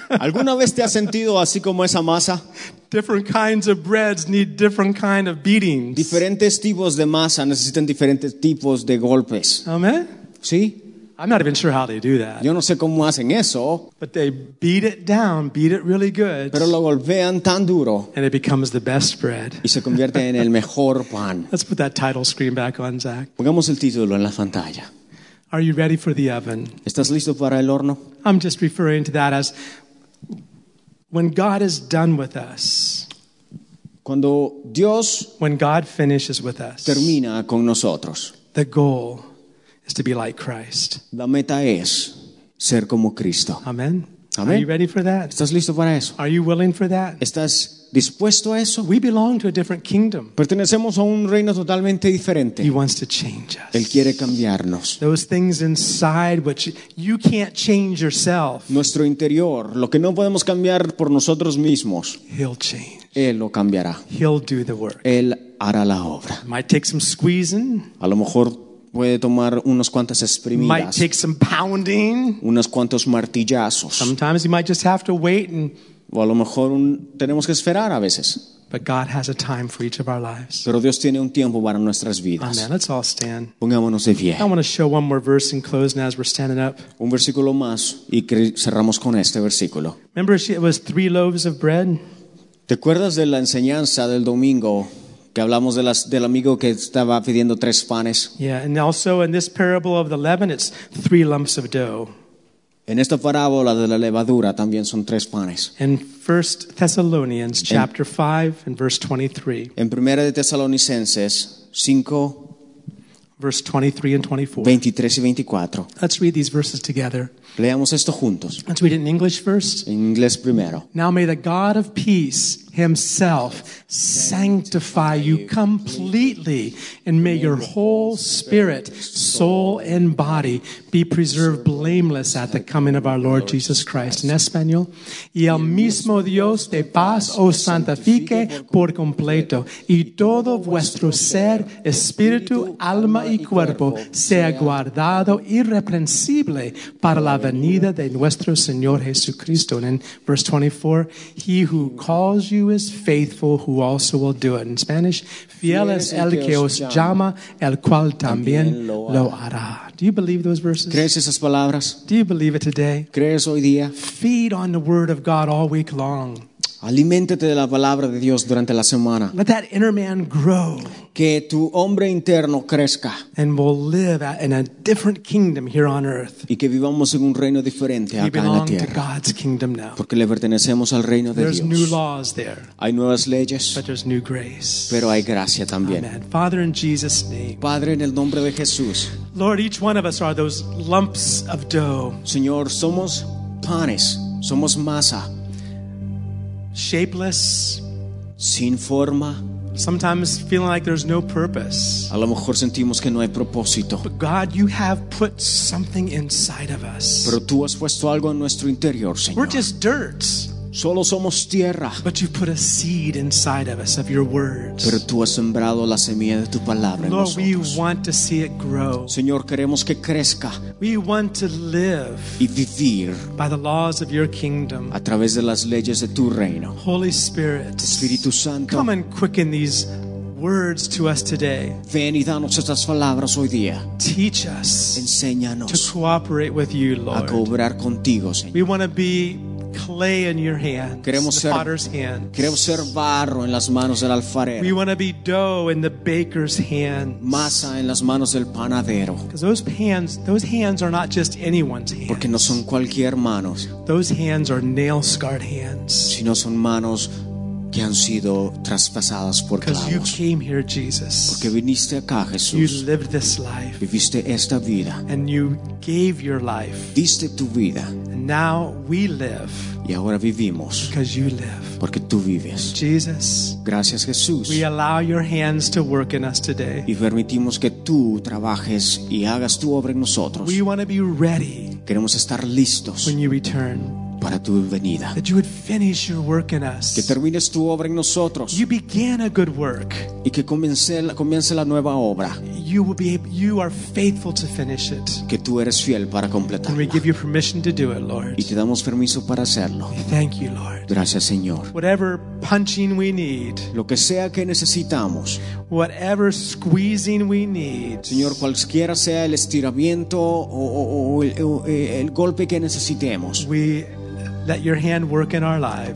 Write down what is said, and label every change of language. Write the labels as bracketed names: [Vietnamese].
[Spanish] ¿Alguna vez te has sentido así como esa masa? [English] Different kinds of breads need different kind of beatings. [Spanish] Diferentes tipos de masa necesitan diferentes tipos de golpes. [English] Amen. [Spanish] ¿Sí? [English] I'm not even sure how they do that. [Spanish] Yo no sé cómo hacen eso. [English] But they beat it down, beat it really good. [Spanish] Pero lo golpean tan duro. [English] And it becomes the best bread. [Spanish] Y se convierte en el mejor pan. [English] Let's put that title screen back on, Zach. [Spanish] Pongamos el título en la pantalla. [English] Are you ready for the oven? [Spanish] ¿Estás listo para el horno? [English] I'm just referring to that as when God is done with us. [Spanish] Cuando Dios [English] when God finishes with us. [Spanish] Termina con nosotros. [English] The goal is to be like Christ. [Spanish] La meta es ser como Cristo. [English] Amen. Amen. Are you ready for that? [Spanish] ¿Estás listo para eso? [English] Are you willing for that? [Spanish] ¿Estás dispuesto a eso? [English] We belong to a different kingdom. [Spanish] Pertenecemos a un reino totalmente diferente. [English] He wants to change us. [Spanish] Él quiere cambiarnos. [English] Those things inside which you can't change yourself. [Spanish] Nuestro interior, lo que no podemos cambiar por nosotros mismos. [English] He'll change. [Spanish] Él lo cambiará. [English] He'll do the work. [Spanish] Él hará la obra. [English] Might take some squeezing. [Spanish] A lo mejor puede tomar unos cuantas exprimidas. [English] Might take some pounding. [Spanish] Unos cuantos martillazos. [English] Sometimes you might just have to wait and [Spanish] o a lo mejor tenemos que esperar a veces. [English] But God has a time for each of our lives. [Spanish] Pero Dios tiene un tiempo para nuestras vidas. [English] Amen. Let's all stand. [Spanish] Pongámonos de pie. [English] I want to show one more verse in closing as we're standing up. [Spanish] Un versículo más y cerramos con este versículo. [English] Remember it was three loaves of bread? [Spanish] ¿Te acuerdas de la enseñanza del domingo que hablamos de del amigo que estaba pidiendo tres panes? [English] Yeah, and also in this parable of the leaven, it's three lumps of dough. [Spanish] En esta parábola de la levadura también son tres panes. [English] In 1 Thessalonians chapter 5 and verse 23. [Spanish] En Primera de Tesalonicenses 5 [English] verse 23 and 24. [Spanish] 23 y 24. [English] Let's read these verses together. [Spanish] Leamos esto juntos. [English] Let's read it in English first. [Spanish] En inglés primero. [English] Now may the God of peace himself sanctify you completely, and may your whole spirit, soul, and body be preserved blameless at the coming of our Lord Jesus Christ. [Spanish] En español, y el mismo Dios de paz os santifique por completo, y todo vuestro ser, espíritu, alma y cuerpo sea guardado irreprensible para la venida de nuestro Señor Jesucristo. [English] And in verse 24, he who calls you is faithful, who also will do it. In Spanish, [Spanish] fiel es el que os llama, el cual también lo hará. [English] Do you believe those verses? [Spanish] ¿Crees esas palabras? [English] Do you believe it today? [Spanish] ¿Crees hoy día? [English] Feed on the word of God all week long. [Spanish] Aliméntate de la palabra de Dios durante la semana. [English] Let that inner man grow. [Spanish] Que tu hombre interno crezca. [English] And we'll live in a different kingdom here on earth. [Spanish] Y que vivamos en un reino diferente [English] we [Spanish] acá en la tierra. [English] To God's kingdom now. [Spanish] Porque le pertenecemos al reino [English] there's [Spanish] de Dios. [English] New laws there, [Spanish] hay nuevas leyes. [English] But there's new grace. [Spanish] Pero hay gracia también. [English] Amen. Father, in Jesus' name. [Spanish] Padre, en el nombre de Jesús. [English] Lord, each one of us are those lumps of dough. [Spanish] Señor, somos panes. Somos masa. [English] Shapeless, [Spanish] sin forma, [English] sometimes feeling like there's no purpose. [Spanish] A lo mejor sentimos que no hay propósito. [English] But God, you have put something inside of us. [Spanish] Pero tú has puesto algo en nuestro interior, Señor. [English] We're just dirt. [Spanish] Solo somos tierra. [English] But you put a seed inside of us of your words. [Spanish] Pero tú has sembrado la semilla de tu palabra en nosotros. [English] Lord, we want to see it grow. [Spanish] Señor, queremos que crezca. [English] We want to live [Spanish] y vivir [English] by the laws of your kingdom. [Spanish] A través de las leyes de tu reino. [English] Holy Spirit, [Spanish] Espíritu Santo, [English] come and quicken these words to us today. [Spanish] Ven y danos estas palabras hoy día. [English] Teach us. [Spanish] Enséñanos [English] to cooperate with you, Lord. [Spanish] A cooperar contigo, Señor. [English] We want to be clay in your hands, [Spanish] queremos [English] the potter's hand. [Spanish] Queremos ser barro en las manos del alfarero. [English] We want to be dough in the baker's hand. [Spanish] Masa en las manos del panadero. [English] Because those hands are not just anyone's hands. [Spanish] Porque no son cualquier manos. [English] Those hands are nail-scarred hands. [Spanish] Sino son manos que han sido traspasadas por clavos. [English] Because you came here, Jesus. [Spanish] Porque viniste acá, Jesús. [English] You lived this life. [Spanish] Viviste esta vida. [English] And you gave your life. [Spanish] Diste tu vida. [English] And now we live. [Spanish] Y ahora vivimos. [English] Because you live. [Spanish] Porque tú vives. [English] Jesus. [Spanish] Gracias, Jesús. [English] We allow your hands to work in us today. [Spanish] Y permitimos que tú trabajes y hagas tu obra en nosotros. [English] We want to be ready. [Spanish] Queremos estar listos. [English] When you return. [Spanish] Para tu venida. [English] That you would finish your work in us. [Spanish] Que termines tu obra en nosotros. [English] You began a good work. [Spanish] Y que comience la nueva obra. [English] You are faithful to finish it. [Spanish] Que tú eres fiel para completarla. [English] And we give you permission to do it, Lord. [Spanish] Y te damos permiso para hacerlo. [English] Thank you, Lord. [Spanish] Gracias, Señor. [English] Whatever punching we need. [Spanish] Lo que sea que necesitamos. [English] Whatever squeezing we need. [Spanish] Señor, cualquiera sea el estiramiento o el golpe que necesitemos. [English] We let your hand work in our lives.